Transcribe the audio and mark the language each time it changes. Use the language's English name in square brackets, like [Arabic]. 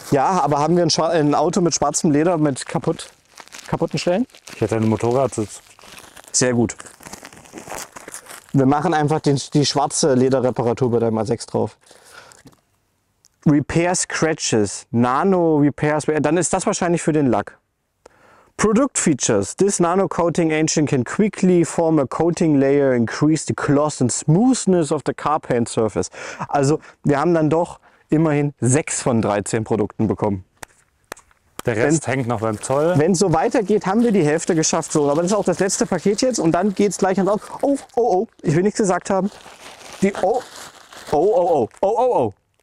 [German] Ja, aber haben wir ein Auto mit schwarzem Leder mit kaputten Stellen? Ich hätte einen Motorradsitz. Sehr gut. Wir machen einfach die schwarze Lederreparatur bei deinem A6 drauf. [English] Repair Scratches, Nano Repairs, [German] dann ist das wahrscheinlich für den Lack. [English] Product Features, this Nano Coating Agent can quickly form a coating layer, increase the gloss and smoothness of the car paint surface. [German] Also wir haben dann doch immerhin 6 von 13 Produkten bekommen. Der Rest hängt noch beim Zoll. Wenn es so weitergeht, haben wir die Hälfte geschafft. So, aber das ist auch das letzte Paket jetzt und dann geht es gleich ans Auto. Oh, oh, oh, ich will nichts gesagt haben. Die, oh, oh, oh, oh, oh, oh, oh.